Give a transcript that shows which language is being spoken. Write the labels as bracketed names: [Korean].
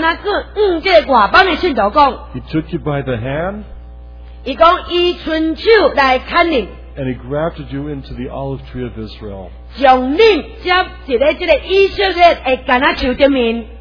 [Min Nan Chinese] 然后到罗马书第十一章，伊安那个这外邦的信徒讲。 [English] He took you by the hand. [Min Nan Chinese] 伊讲伊伸手来牵你。 [English] And he grafted you into the olive tree of Israel. [Min Nan Chinese] 将你接在这个以色列的橄榄树顶面。